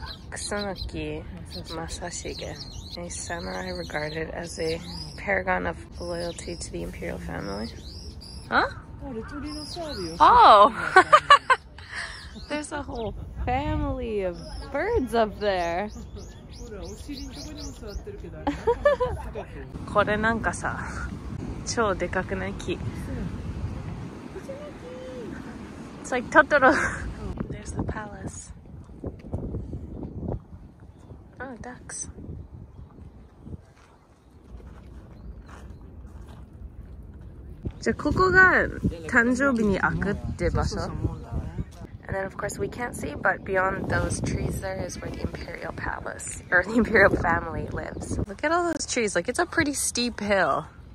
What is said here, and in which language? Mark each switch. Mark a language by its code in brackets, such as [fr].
[en] Kusanagi Masashige. A samurai regarded as a paragon of loyalty to the imperial family. Huh? Oh! There's a whole family of birds up there. [ja] これ なんかさ、超でかくない木。 [en] It's like Totoro. There's the palace. Oh, ducks. [ja] じゃあここが誕生日に開くって場所。 [en] And then of course we can't see, but beyond those trees there is where the Imperial Palace, or the Imperial family lives. Look at all those trees, like it's a pretty steep hill.